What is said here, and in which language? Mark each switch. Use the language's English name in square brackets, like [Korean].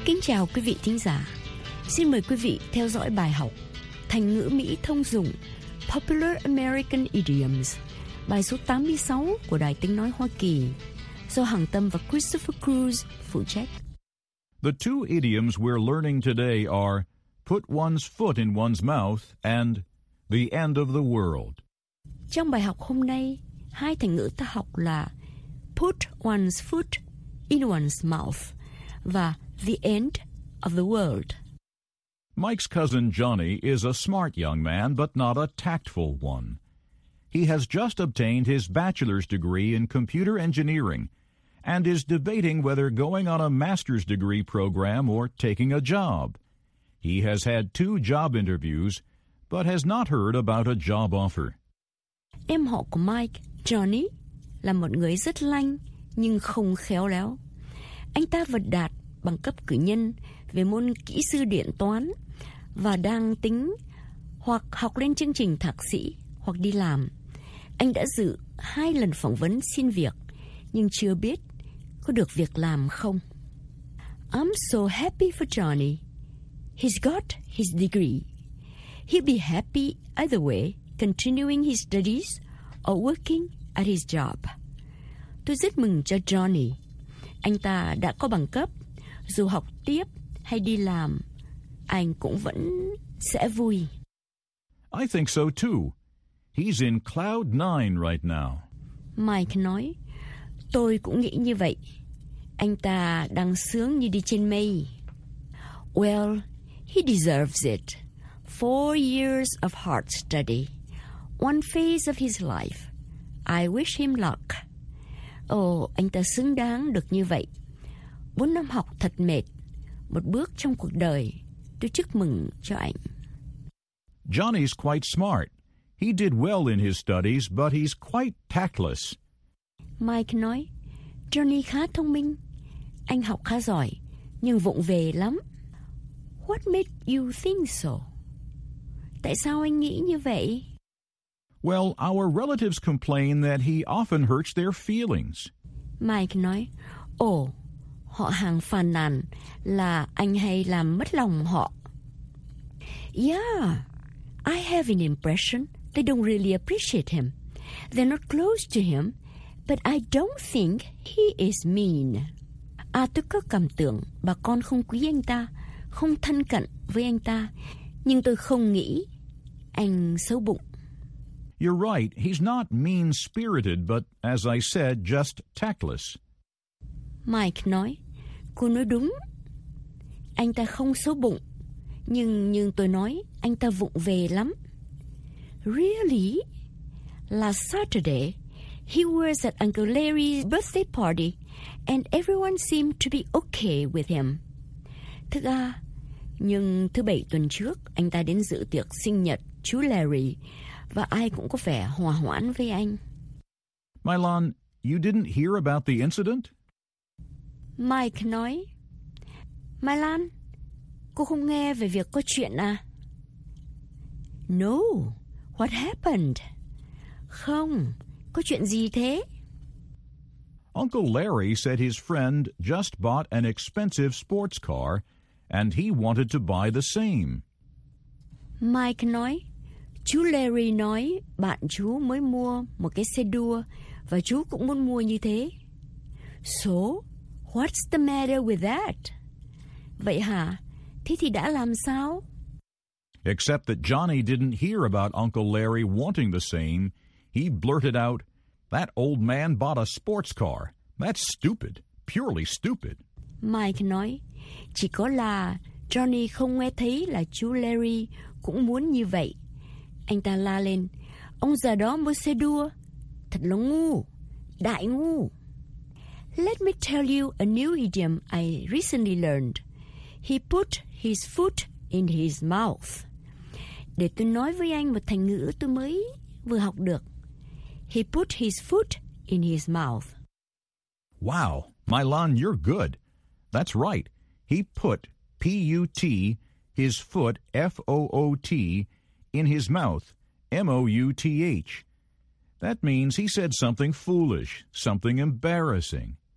[Vietnamese] Chào quý vị thính giả. Xin mời quý vị theo dõi bài học Thành ngữ Mỹ thông dụng Popular American Idioms, bài số 86 của Đài Tiếng Nói Hoa Kỳ, do Hằng Tâm và Christopher Cruz phụ trách. [English] The two idioms we're learning today are put one's foot in one's mouth and the end of the world. [Vietnamese] Trong bài học hôm nay, hai thành ngữ ta học là [English] put one's foot in one's mouth [Vietnamese] và [English] the end of the world. Mike's cousin Johnny is a smart young man, but not a tactful one. He has just obtained his bachelor's degree in computer engineering and is debating whether going on a master's degree program or taking a job. He has had two job interviews, but has not heard about a job offer. [Vietnamese] Em họ của Mike, Johnny, là một người rất lanh nhưng không khéo léo. Anh ta vừa đạt bằng cấp cử nhân về môn kỹ sư điện toán và đang tính hoặc học lên chương trình thạc sĩ hoặc đi làm. Anh đã dự hai lần phỏng vấn xin việc nhưng chưa biết có được việc làm không. [English] I'm so happy for Johnny. He's got his degree. He'll be happy either way, continuing his studies or working at his job. [Vietnamese] Tôi rất mừng cho Johnny. Anh ta đã có bằng cấp. Dù học tiếp hay đi làm, anh cũng vẫn sẽ vui. [English] I think so too. He's in cloud nine right now. [Vietnamese] Mike nói, tôi cũng nghĩ như vậy. Anh ta đang sướng như đi trên mây. [English] Well, he deserves it. 4 years of hard study. One phase of his life. I wish him luck. [Vietnamese] Ồ, anh ta xứng đáng được như vậy. 4 năm học thật mệt. Một bước trong cuộc đời. Tôi chúc mừng cho anh. [English] Johnny's quite smart. He did well in his studies, but he's quite tactless. [Vietnamese] Mike nói, Johnny khá thông minh. Anh học khá giỏi, nhưng vụng về lắm. [English] What made you think so? [Vietnamese] Tại sao anh nghĩ như vậy? [English] Well, our relatives complain that he often hurts their feelings. [Vietnamese] Mike nói, ồ, họ hàng phàn nàn là anh hay làm mất lòng họ. [English] Yeah, I have an impression they don't really appreciate him. They're not close to him, but I don't think he is mean. [Vietnamese] À, tôi có cảm tưởng bà con không quý anh ta, không thân cận với anh ta, nhưng tôi không nghĩ anh xấu bụng. [English] You're right, he's not mean-spirited, but as I said, just tactless. [Vietnamese] Mike nói, cô nói đúng. Anh ta không xấu bụng, nhưng tôi nói anh ta vụng về lắm. [English] Really? Last Saturday, he was at Uncle Larry's birthday party, and everyone seemed to be okay with him. [Vietnamese] Thực ra, nhưng thứ bảy tuần trước, anh ta đến dự tiệc sinh nhật chú Larry, và ai cũng có vẻ hòa hoãn với anh. [English] Mylon, you didn't hear about the incident? [Vietnamese] Mike nói, Mylon, cô không nghe về việc có chuyện à? [English] No, what happened? [Vietnamese] Không, có chuyện gì thế? [English] Uncle Larry said his friend just bought an expensive sports car and he wanted to buy the same. [Vietnamese] Mike nói, chú Larry nói bạn chú mới mua một cái xe đua và chú cũng muốn mua như thế. [English] So, what's the matter with that? [Vietnamese] Vậy hả? Thế thì đã làm sao? [English] Except that Johnny didn't hear about Uncle Larry wanting the same. He blurted out, that old man bought a sports car. That's stupid. Purely stupid. [Vietnamese] Mike nói, chỉ có là Johnny không nghe thấy là chú Larry cũng muốn như vậy. Anh ta la lên, ông già đó mua xe đua. Thật là ngu, đại ngu. [English] Let me tell you a new idiom I recently learned. He put his foot in his mouth. [Vietnamese] Để tôi nói với anh một thành ngữ tôi mới vừa học được. [English] He put his foot in his mouth. Wow, Mylon, you're good. That's right. He put, P-U-T, his foot, F-O-O-T, in his mouth, M-O-U-T-H. That means he said something foolish, something embarrassing.